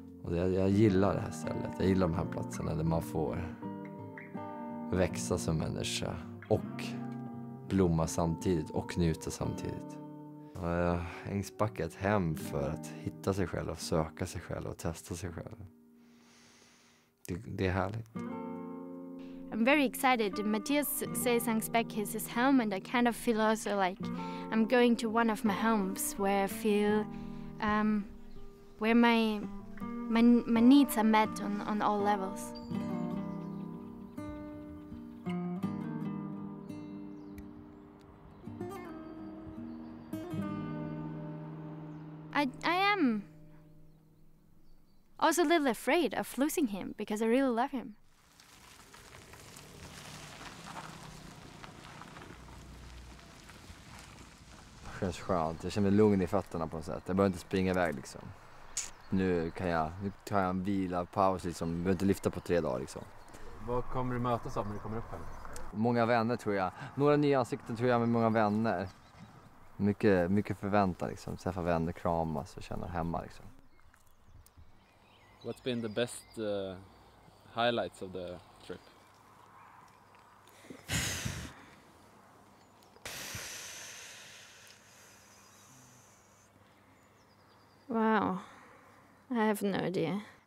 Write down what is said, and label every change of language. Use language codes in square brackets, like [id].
[sv] Jag gillar det här stället. Jag gillar de här platserna där man får växa som människa och blomma samtidigt och njuta samtidigt. Ängsbacka är ett hem för att hitta sig själv och söka sig själv och testa sig själv. Det är härligt. [en] I'm very excited. Mathias says Ängsbacka is his home and I kind of feel also like I'm going to one of my homes where I feel where my needs are met on all levels. I am also a little afraid of losing him because I really love him. [sv] Det känns skönt. Jag känner mig lugn i fötterna på något sätt. Jag behöver inte springa iväg liksom. Nu kan jag en vila, paus liksom. Jag behöver inte lyfta på 3 dagar liksom. Vad kommer du mötas av när du kommer upp här? Många vänner tror jag. Några nya ansikten tror jag med många vänner. Mycket, mycket förväntan liksom. Träffa vänner, kramas och känna hemma liksom. [en] What's been the best highlights of the trip? Wow. I have no idea.